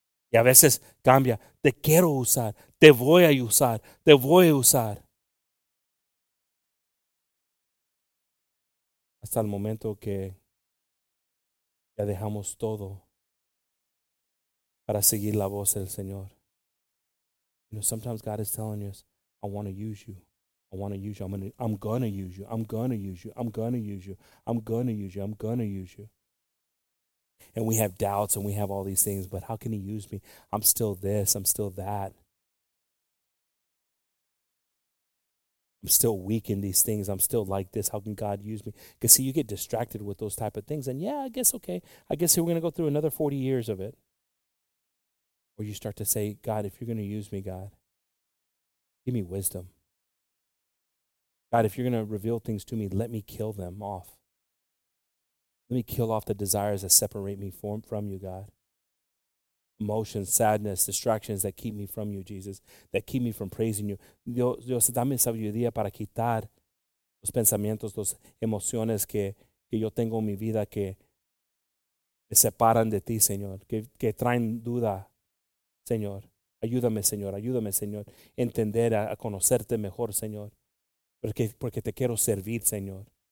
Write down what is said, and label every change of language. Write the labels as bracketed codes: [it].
[es] Y a veces cambia, te quiero usar, te voy a usar, te voy a usar. Hasta el momento que ya dejamos todo para seguir la voz del Señor. [en] You know, sometimes God is telling us, I want to use you. I want to use you. I'm going to use you. I'm going to use you. I'm going to use you. I'm going to use you. I'm going to use you. And we have doubts and we have all these things, but how can he use me? I'm still this. I'm still that. I'm still weak in these things. I'm still like this. How can God use me? Because see, you get distracted with those type of things. And yeah, I guess, okay. I guess we're going to go through another 40 years of it. Or you start to say, God, if you're going to use me, God, give me wisdom. God, if you're going to reveal things to me, let me kill them off. Let me kill off the desires that separate me from you, God. Emotions, sadness, distractions that keep me from you, Jesus, that keep me from praising you. [es] Dios, dame sabiduría para quitar los pensamientos, los emociones que yo tengo en mi vida que me separan de ti, Señor, que traen duda. Señor, ayúdame, Señor, ayúdame, Señor, entender, a conocerte mejor, Señor, porque te quiero servir, Señor.